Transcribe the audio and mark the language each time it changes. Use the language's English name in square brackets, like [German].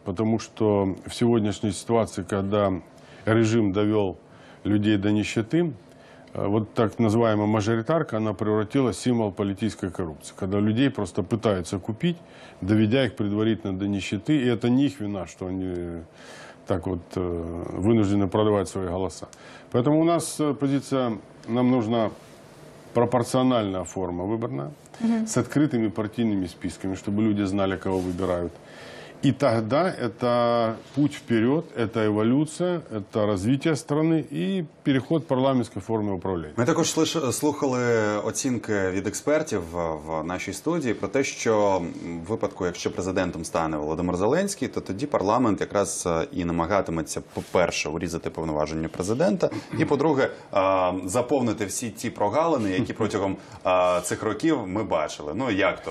[Ukrainian] Тому що в сьогоднішній ситуації, коли режим довів людей до нищети, от так називаємо мажоритарка, вона превратила символ політичної корупції. Коли людей просто намагаються купити, доведя їх предварительно до нищети, і це не їх вина, що вони [Russian] так вот вынуждены продавать свои голоса. Поэтому у нас позиция, нам нужна пропорциональная форма выборная, с открытыми партийными списками, чтобы люди знали, кого выбирают. И тогда это путь вперед, это эволюция, это развитие страны и переход парламентской формы управления. [Ukrainian] Мы також слухали оцінки від експертів в нашій студії про те, що в випадку, якщо президентом стане Володимир Зеленський, то тоді парламент якраз і намагатиметься, по-перше, урізати повноваження президента, і, по-друге, заповнити всі ті прогалини, які протягом цих років ми бачили. Ну, як то?